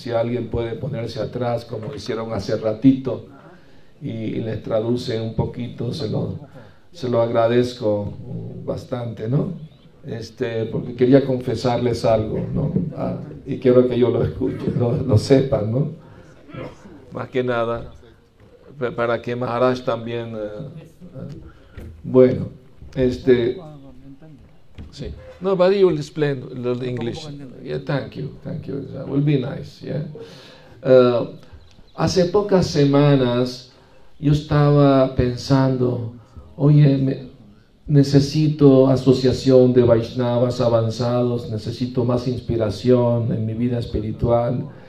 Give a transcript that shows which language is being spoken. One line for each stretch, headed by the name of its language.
Spanish: Si alguien puede ponerse atrás como hicieron hace ratito y les traduce un poquito, se lo agradezco bastante, ¿no? Porque quería confesarles algo, ¿no? Y quiero que ellos lo escuchen, lo sepan, ¿no? Más que nada, para que Maharaj también. Bueno, sí.
English: No, but you will explain a little English. Yeah, thank you. That will be nice. Yeah.
Spanish: Hace pocas semanas yo estaba pensando, oye, necesito asociación de Vaishnavas avanzados, necesito más inspiración en mi vida espiritual.